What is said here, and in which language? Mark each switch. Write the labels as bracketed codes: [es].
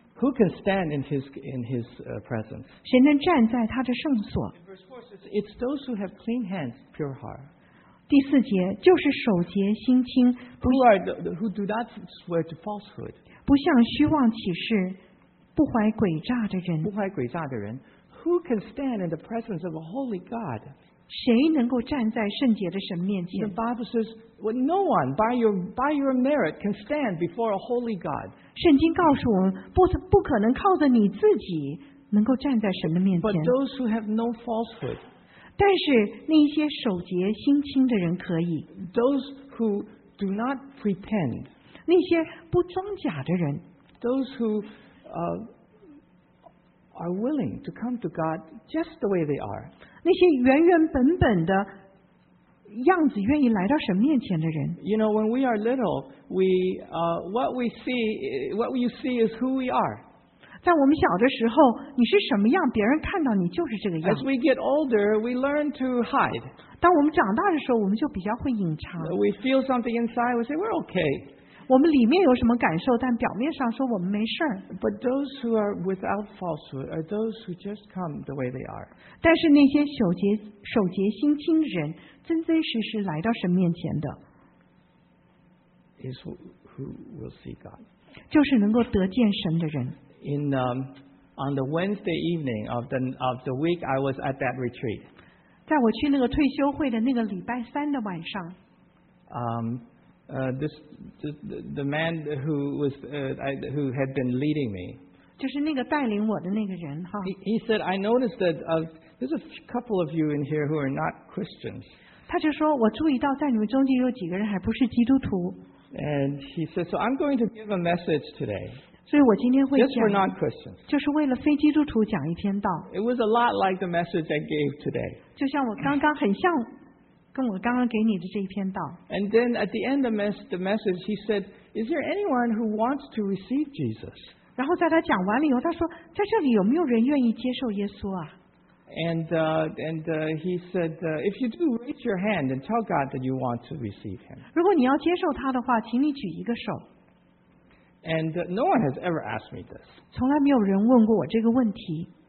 [en] Who can stand in his presence? [zh] 谁能站在他的圣所？ [en] It's those who have clean hands, pure heart. [zh] 第四节就是守洁心清。 [en] Who do not swear to falsehood? [zh] 不向虚妄起誓，不怀诡诈的人。不怀诡诈的人。 [en] Who can stand in the presence of a holy God? [zh] 谁能够站在圣洁的神面前？ [en] The Bible says,Well, no one by your merit can stand before a holy God. [zh] 圣经告诉我们，不可能靠着你自己能够站在神的面前。 [en] But those who have no falsehood. [zh] 但是那些守节心清的人可以。 [en] Those who do not pretend. [zh] 那些不装假的人。 [en] Those who are willing to come to God just the way they are. [zh] 那些原原本本的。样子愿意来到神面前的人。 [en] You know, when we are little, what you see is who we are. [zh] 在我们小的时候，你是什么样，别人看到你就是这个样。 [en] As we get older, we learn to hide. [zh] 当我们长大的时候，我们就比较会隐藏。 [en] We feel something inside. We say we're okay. [zh] 我们里面有什么感受，但表面上说我们没事。 [en] But those who are without falsehood are those who just come the way they are. [zh] 但是那些守节心清的人。真真实实来到神面前的 [en] is who will see God. [zh] 就是能够得见神的人。 [en] On the Wednesday evening of the week I was at that retreat. [zh] 在我去那个退休会的那个礼拜三的晚上。 [en] The man who was who had been leading me. [zh] 就是那个带领我的那个人哈。 [en] He said, I noticed that there's a couple of you in here who are not Christians. [zh] 他就说我注意到在你们中间有几个人还不是基督徒。 [en] And he said, so I'm going to give a message today. [zh] 所以我今天会讲。 [en] Just for non-Christians. [zh] 就是为了非基督徒讲一篇道。 [en] It was a lot like the message I gave today. [zh] 就像我刚刚很像跟我刚刚给你的这一篇道。 [en] And then at the end of the message, he said, is there anyone who wants to receive Jesus? [zh] 然后在他讲完了以后他说在这里有没有人愿意接受耶稣啊 [en] And he said, if you do, raise your hand and tell God that you want to receive him. [zh] 如果你要接受他的话，请你举一个手。 [en] And no one has ever asked me this. [zh] 从来没有人问过我这个问题。